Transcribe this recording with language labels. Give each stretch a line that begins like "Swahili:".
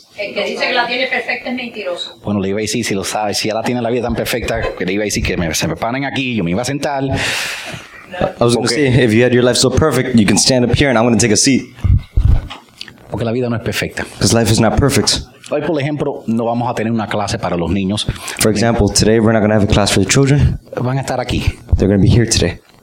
Spanish: El que dice que la tiene perfecta es mentiroso. Bueno, le iba a decir, si lo sabe, si ya la tiene la vida tan perfecta, le iba a decir que se me paren aquí, yo me iba a sentar.
English: I was going to say, if you had your life so perfect, you can stand up here and I'm going to take a seat.
Spanish: Porque la vida no es perfecta.
English: Because life is not perfect.
Spanish: Hoy, por ejemplo, no vamos a tener una clase para los niños.
English: For example, today we're not going to have a class for the children.
Spanish: Van a estar aquí.
English: They're going to be here today.